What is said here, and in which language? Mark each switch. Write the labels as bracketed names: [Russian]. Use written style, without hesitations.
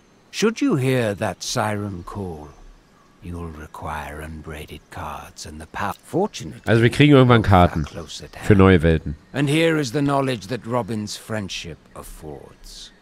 [English] Should you hear that siren call, you'll require unbraided cards and the power. [German] Fortunately, also wir kriegen irgendwann Karten für neue Welten. [English] And here is the knowledge that Robin's friendship affords.